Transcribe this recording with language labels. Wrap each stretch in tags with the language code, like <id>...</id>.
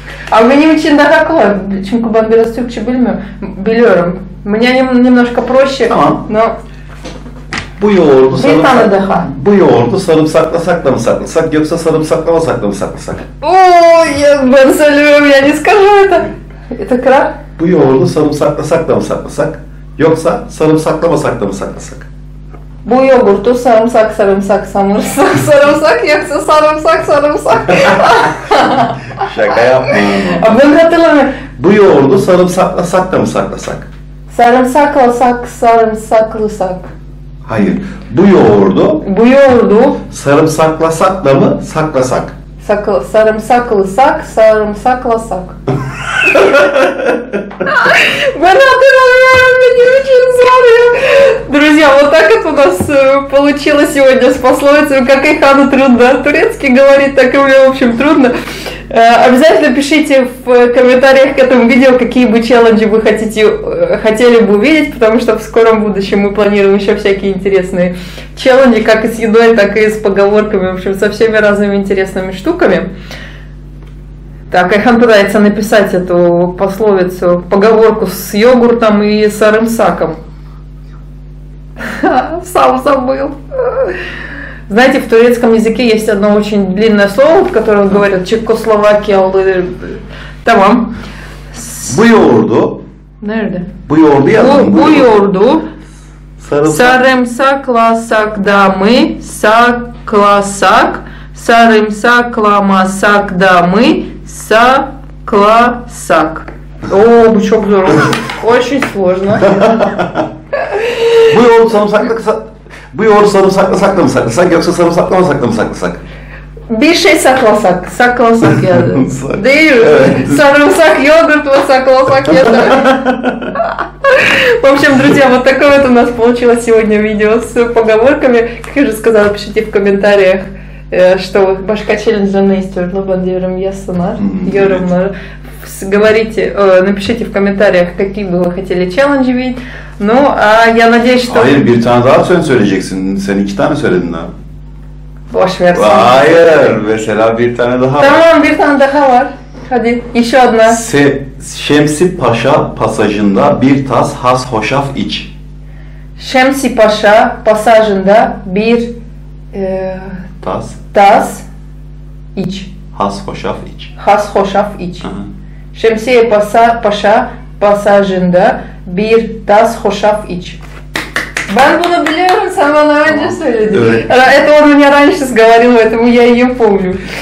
<tr>А benim için daha kolay, çünkü ben biraz Türkçe biliyorum.</tr> <ru>Мне немножко проще,</ru> <tr>tamam.</tr> <ru>Но...</ru> <tr>Bu yoğurdu sarımsak... Bir tane daha. Bu yoğurdu sarımsakla sakla mı saklasak, yoksa sarımsakla mı sakla mı saklasak? Ooo, ben söylemiyorum,</tr> <ru>я не скажу это. Это крак.</ru> <tr>Bu yoğurdu sarımsakla sakla mı saklasak, yoksa sarımsakla mı sakla mı saklasak? Bu yoğurdu sarımsak sarımsak sanırsak sarımsak, yoksa sarımsak sarımsak. Şaka yapma. Ben hatırlamıyorum. Bu yoğurdu sarımsakla sakla mı saklasak? Sarımsakla sak, sarımsaklı sak. Hayır, bu yoğurdu. Bu yoğurdu. Sarımsakla sakla mı saklasak? Sarımsaklı sak, sarımsakla sak. Ben hatırlamıyorum, benim için zor ya.</tr> <ru>Друзья, вот так вот у нас получилось сегодня с пословицей, как и Хану трудно турецкий говорить, так и мне, в общем, трудно. Обязательно пишите в комментариях к этому видео, какие бы челленджи вы хотели бы увидеть, потому что в скором будущем мы планируем еще всякие интересные челленджи, как и с едой, так и с поговорками, в общем, со всеми разными интересными штуками. Так, Айхан пытается написать эту пословицу, поговорку с йогуртом и с сарымсаком. Сам забыл. Знаете, в турецком языке есть одно очень длинное слово, в котором говорят Чекословакия.</ru> <tr>Tamam. Bu yoğurdu. Nerede? Bu yoğurdu ya. Bu yoğurdu. Sarımsaklasak da mı? Saklasak. Sarımsaklamasak da mı?</tr> <ru>Saklasak. О, бучок здорово. Очень сложно.</ru> <tr>Buyur sarımsaklı Buyur sarımsaklı saklamasak sak yoksa sarımsaklı mı saklamasak sak? Bir şey saklasak, saklasak ya. Değil mi? Evet. Sarımsak yogurtla saklasak ya.</tr> <ru>В общем, друзья, вот такое вот у нас получилось сегодня видео с поговорками. Как я уже сказала, пишите в комментариях, что башка челленджа наистер, но бандирам ясанар, ёрамар. Говорите, напишите в комментариях, какие бы вы хотели челленджи видеть. Ну, а я надеюсь, что...</ru> <tr>Hayır, bir tane daha söyleyeceksin. Sen iki tane söyledin daha. Boşver. Hayır, mesela bir tane daha var. Tamam, bir tane daha var. Hadi, işe adına. Şemsi Paşa pasajında bir tas has hoşaf iç. Şemsi Paşa pasajında bir tas. Tas iç. Has hoşaf iç. Has hoşaf iç. Şemsi Paşa pasajında bir tas hoşaf iç. Ben bunu biliyorum, sen bana önce söyledin. Evet.</tr> <ru>Это он мне раньше говорил, поэтому я её помню.</ru>